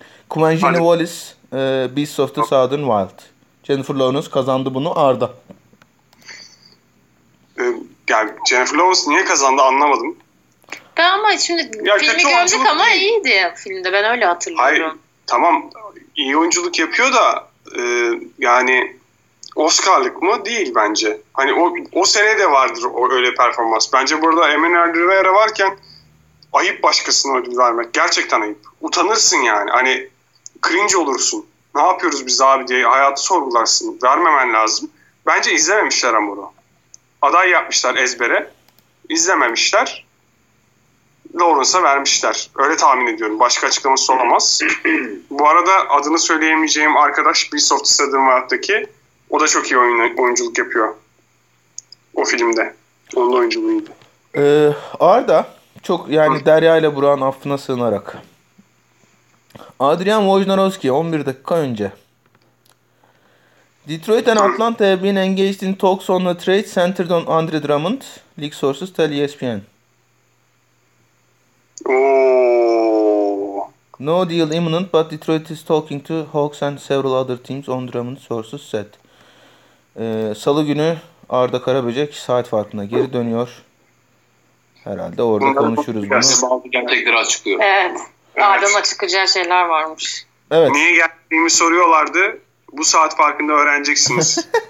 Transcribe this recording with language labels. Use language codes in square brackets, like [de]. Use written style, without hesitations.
[en] Kumanjini Wallace, Beasts of the Southern Wild. [tr] Jennifer Lawrence kazandı bunu Arda. Yani Jennifer Lawrence niye kazandı anlamadım. Ben ama şimdi ya filmi gördük ama değil. İyiydi filmde, ben öyle hatırlıyorum. Hayır tamam, iyi oyunculuk yapıyor da yani Oscar'lık mı değil bence. Hani o sene de vardır o öyle performans. Bence burada Emin Erdoğan'a varken ayıp başkasına ödül vermek. Gerçekten ayıp. Utanırsın yani. Hani cringe olursun. Ne yapıyoruz biz abi diye hayatı sorgularsın. Vermemen lazım. Bence izlememişler ama bunu. Aday yapmışlar ezbere. İzlememişler. Lawrence'a vermişler. Öyle tahmin ediyorum. Başka açıklaması olamaz. Bu arada adını söyleyemeyeceğim arkadaş Beasts of the Southern Wild'daki, o da çok iyi oyunculuk yapıyor. O filmde. Onun oyunculuğuydu. Arda çok yani Derya ile Burak'ın affına sığınarak. Adrian Wojnarowski 11 dakika önce. [en] Detroit and Atlanta have been engaged in talks on a trade centered on Andre Drummond. Leak sources tell ESPN. Oh. No deal imminent, but Detroit is talking to Hawks and several other teams on Drummond, sources said. [tr] Salı günü Arda Karaböcek saat farkına geri dönüyor. Herhalde orada konuşuruz bunu. Gerçekten tekrar çıkıyor. Evet. Arda'nın açıklayacağı şeyler varmış. Evet. Niye geldiğimi soruyorlardı. Bu saat farkında öğreneceksiniz.